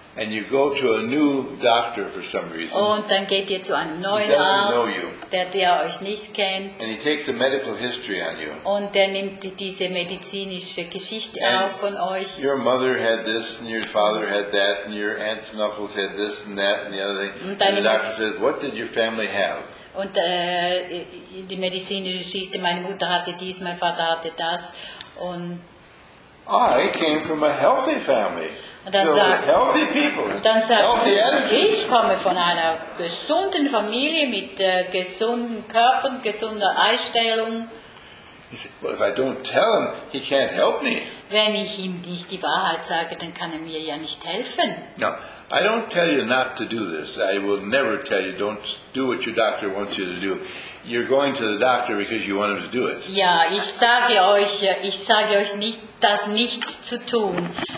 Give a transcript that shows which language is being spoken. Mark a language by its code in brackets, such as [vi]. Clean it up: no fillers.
[en] And you go to a new doctor for some reason. [de] Und dann geht ihr zu einem neuen Arzt, der euch nicht kennt. [en] And he takes a medical history on you. [de] Und der nimmt diese medizinische Geschichte auf von euch. [en] Your mother had this, and your father had that, and your aunts and uncles had this and that and the other thing. [de] Und [en] the doctor says, what did your family have? [de] Und die medizinische Geschichte, meine Mutter hatte dies, mein Vater hatte das. Und [en] I came from a healthy family. [de] Und dann sagt, [en] healthy people. [de] Dann sagt, ich komme von einer gesunden Familie mit gesunden Körpern, gesunder Einstellung. [en] If I don't tell him, he can't help me. [de] Wenn ich ihm nicht die Wahrheit sage, dann kann er mir ja nicht helfen. [en] No, I don't tell you not to do this. I will never tell you, don't do what your doctor wants you to do. You're going to the doctor because you want him to do it. [de] Ja, ich sage euch nicht, das nicht zu tun.